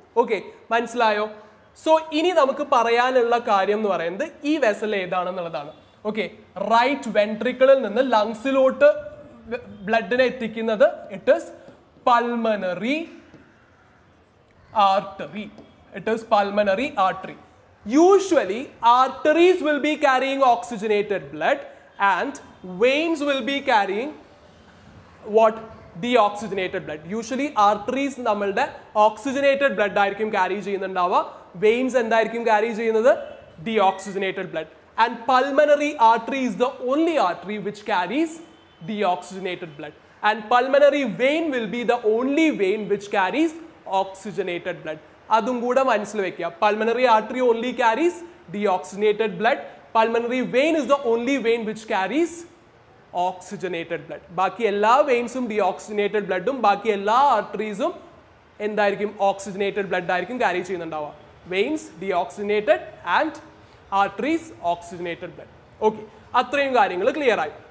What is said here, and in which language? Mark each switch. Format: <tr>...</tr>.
<ml>Okay, മനസ്സിലായോ? So ഇനി നമുക്ക് പറയാനുള്ള കാര്യം എന്ന് പറയുന്നത് ഈ വെസൽ ഏതാണെന്നുള്ളതാണ്. ഓക്കെ, റൈറ്റ് വെൻട്രിക്കിളിൽ നിന്ന് ലങ്സിലോട്ട് ബ്ലഡിനെ എത്തിക്കുന്നത്</ml> <en>It is pulmonary artery. It is pulmonary artery. Usually, arteries will be carrying oxygenated blood and veins will be carrying what? Deoxygenated blood.</en> <ml>Usually, arteries നമ്മളുടെ oxygenated blood ആയിരിക്കും carry ചെയ്യുന്നുണ്ടാവുക. Veins എന്തായിരിക്കും carry ചെയ്യുന്നത്?</ml> <en>Deoxygenated blood. And pulmonary artery is the only artery which carries deoxygenated blood. And pulmonary vein will be the only vein which carries oxygenated blood.</en> <ml>അതും കൂടെ മനസ്സിൽ വെക്കുക.</ml> <en>Pulmonary artery only carries deoxygenated blood. Pulmonary vein is the only vein which carries oxygenated blood.</en> <ml>ബാക്കി എല്ലാ വെയിൻസും ഡിഓക്സിജനേറ്റഡ് ബ്ലഡും ബാക്കി എല്ലാ ആർട്ടറീസും എന്തായിരിക്കും? Oxygenated blood ആയിരിക്കും carry ചെയ്യുന്നുണ്ടാവുക.</ml> <en>Veins deoxygenated and arteries oxygenated blood.</en> <ml>Okay, അത്രയും കാര്യങ്ങൾ ക്ലിയർ ആയി.</ml>